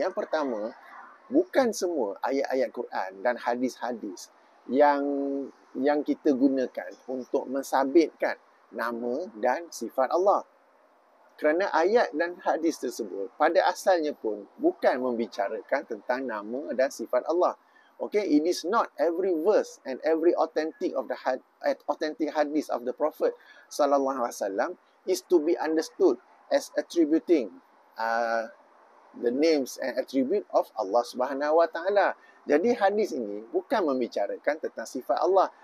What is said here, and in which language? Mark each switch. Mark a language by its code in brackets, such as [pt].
[ms] Yang pertama, bukan semua ayat-ayat Quran dan hadis-hadis yang kita gunakan untuk mensabitkan nama dan sifat Allah. Kerana ayat dan hadis tersebut pada asalnya pun bukan membicarakan tentang nama dan sifat Allah. [en] Okay, it is not every verse and every authentic hadith of the Prophet sallallahu alaihi wasallam is to be understood as attributing the names and attribute of Allah Subhanahu wa taala. [ms] Jadi hadis ini bukan membicarakan tentang sifat Allah.